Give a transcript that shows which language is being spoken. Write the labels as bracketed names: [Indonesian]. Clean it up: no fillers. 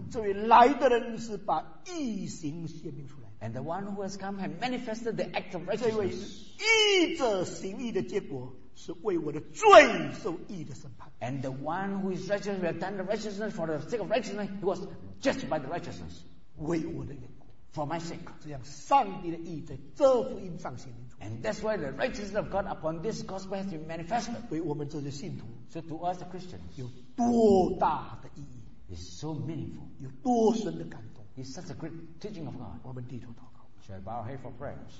[Chinese] 这位来的人是把义行显明出来。 [English] And the one who has come has manifested the act of righteousness. [Chinese] 这位义者行义的结果是为我的罪受义的审判。 [English] And the one who is righteous who has done the righteousness for the sake of righteousness, he was judged by the righteousness. [Chinese] 为我的缘故。 [English] For my sake. [Chinese] 这样上帝的义在这福音上显明出来。 [English] And that's why the righteousness of God upon this gospel has been manifested. [Chinese] 为我们这些信徒。 [English] So to us the Christians. [Chinese] 有多大的意义。 [English] It's so meaningful. [Chinese] 有多深的感动。 [English] It's such a great teaching of God. [Chinese] 我们低头祷告。 [English] Shall I bow our head for prayers?